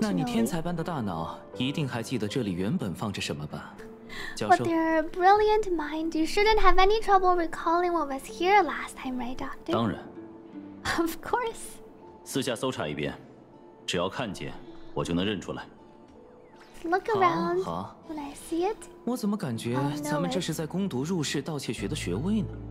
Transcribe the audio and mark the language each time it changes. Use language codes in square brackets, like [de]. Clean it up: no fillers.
[zh] 那你天才般的大脑一定还记得这里原本放着什么吧？ [en] With your brilliant mind, you shouldn't have any trouble recalling what was here last time, right, Doctor? [zh] 当然。 [en] Of course. [zh] 私下搜查一遍，只要看见，我就能认出来。 [en] Look around. When I see it, [zh] 我怎么感觉咱们这是在攻读入室盗窃学的学位呢